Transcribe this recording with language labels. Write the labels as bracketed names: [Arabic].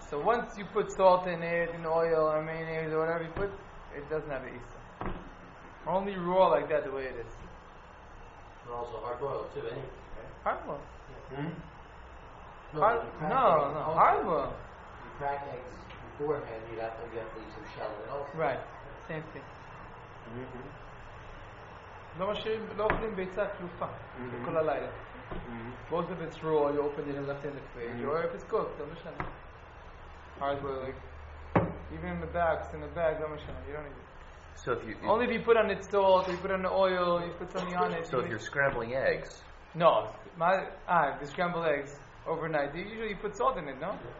[English] So once you put salt in it, and oil, or mayonnaise, or whatever you put, it doesn't have an Issa. Only raw like that, the way it is. And also hard boil too, eh? Hard boil? Yeah. Hmm? No, hard boil. You crack eggs beforehand, you'd have to get these and shell it also. Right, same thing. [Hebrew] לא משאירים, לא אוכלים ביצה כלופה כל הלילה. [English] Both of it's raw, you open it and left in the fridge. Or if it's cooked, [Hebrew] לא משנה. [English] Hard boiling. Even in the bags, [Hebrew] לא משנה, [English] you don't need it. So if you, only if you put on it salt, or you put on the oil, you put something on it. So if you're scrambling eggs. No, the scrambled eggs overnight. Usually you put salt in it, no?